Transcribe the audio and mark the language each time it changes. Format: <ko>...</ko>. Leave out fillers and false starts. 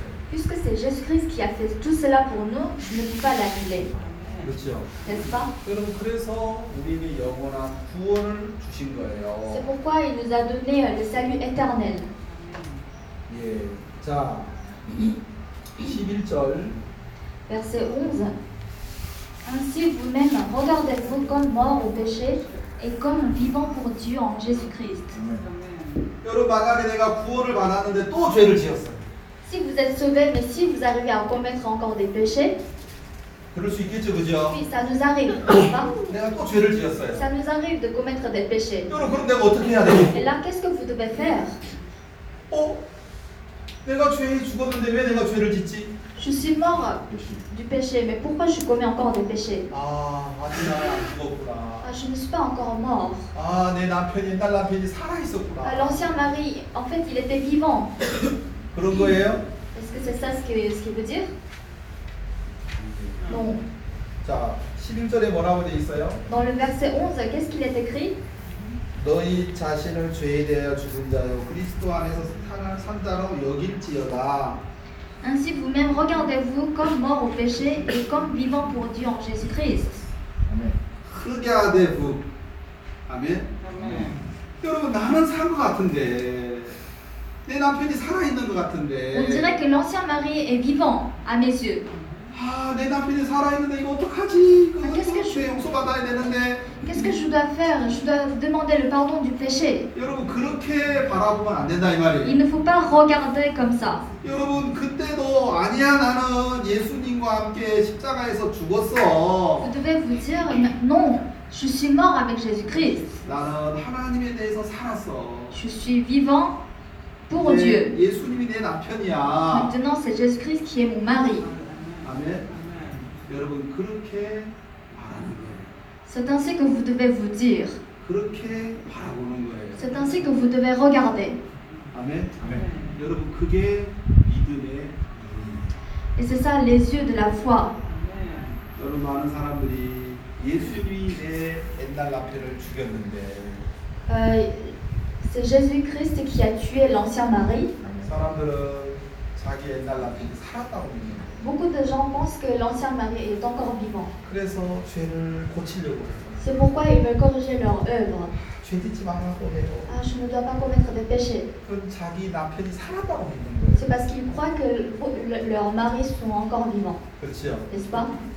<fr>Puisque c'est Jésus-Christ qui a fait tout cela pour nous, je ne peux pas l'annuler.</fr> <ko>그렇죠. 여러분, 그래서 우리는 영원한 구원을 주신 거예요.</ko> <fr>C'est pourquoi il nous a donné le salut éternel.</fr> <ko>예. 자. 11절.</ko> <fr>Verset 11. Ainsi vous-même regardez-vous comme mort au péché et comme vivant pour Dieu en Jésus-Christ.</fr> <ko>여러분, 만약에 내가 구원을 받았는데 또 죄를 지었어요.</ko> <fr>Si vous êtes sauvé mais si vous arrivez à commettre encore des péchés,</fr> <ko>그럴 수 있겠죠, 그죠?</ko> <fr>Oui, ça nous arrive.</fr> <ko>내가 또 죄를 지었어요.</ko> <fr>Ça nous arrive de commettre des péchés.</fr> <ko>여러분, 그럼 내가 어떻게 해야 돼?</ko> <fr>Et là, qu'est-ce que vous devez faire?</fr> <ko>어? 내가 죄에 죽었는데 왜 내가 죄를 짓지?</ko> <fr>Je suis mort du péché, mais pourquoi je commets encore des péchés?</fr> <ko>아, 아직 나야 안 죽었구나.</ko> <fr>Ah, je ne suis pas encore mort.</fr> <ko>아, 내 남편이, 딸 남편이 살아 있었구나.</ko> <fr>Ah, l'ancien mari, en fait, il était vivant.</fr> <ko>그런 거예요?</ko> <fr>Est-ce que c'est ça ce qu'il veut dire? Non.</fr> <ko>자, 11절에 뭐라고 돼 있어요?</ko> <fr>Dans le verset 11, qu'est-ce qu'il est écrit?</fr> <ko>너희 자신을 죄에 대하여 죽은 자요 그리스도 안에서 산 자로 여길지어다.</ko> <fr>Ainsi vous-même regardez-vous comme mort au péché et comme vivant pour Dieu en Jésus-Christ.</fr> <ko>Amen. 흑야되부. 아멘. 아멘. 여러분 나는 산 것 같은데. 내 남편이 살아 있는 것 같은데.</ko> <fr>On dirait que l'ancien mari est vivant à mes yeux.</fr> <ko>아, 내 남편이 살아 있는데 이거 어떡하지? 그래서 용서 받아야 되는데.</ko> <fr>Qu'est-ce que je dois faire? Je dois demander le pardon du péché.</fr> <ko>여러분 그렇게 바라보면 안 된다 이 말이에요.</ko> <fr>Il ne faut pas regarder comme ça.</fr> <ko>여러분 그때도 아니야 나는 예수님과 함께 십자가에서 죽었어.</ko> <fr>Vous devez vous dire non, je suis mort avec Jésus-Christ.</fr> <ko>나는 하나님에 대해서 살았어.</ko> <fr>Je suis vivant pour Dieu.</fr> <ko>예수님이 내 남편이야.</ko> <fr>Maintenant c'est Jésus-Christ qui est mon mari.</fr> <ko>아멘. 여러분 그렇게 말하는 거예요.</ko> <fr>C'est ainsi que vous devez vous dire.</fr> <ko>그렇게 바라보는 거예요.</ko> <fr>C'est ainsi que vous devez regarder.</fr> <ko>아멘. 아멘. 여러분 그게 믿음의</ko> <fr>Et c'est ça les yeux de la foi.</fr> <ko>여러분 많은 사람들이 예수님이 내 옛날 남편을 죽였는데.</ko> <fr>C'est Jésus-Christ qui a tué l'ancien mari.</fr> <ko>사람들은 자기 옛날 남편이 살았다고 믿는 거예요.</ko> <fr>Beaucoup de gens pensent que l'ancien mari est encore vivant. C'est pourquoi ils veulent corriger leur œuvre. Je ne dois pas commettre des péchés. C'est parce qu'ils croient que leurs maris sont encore vivants. N'est-ce pas?</fr>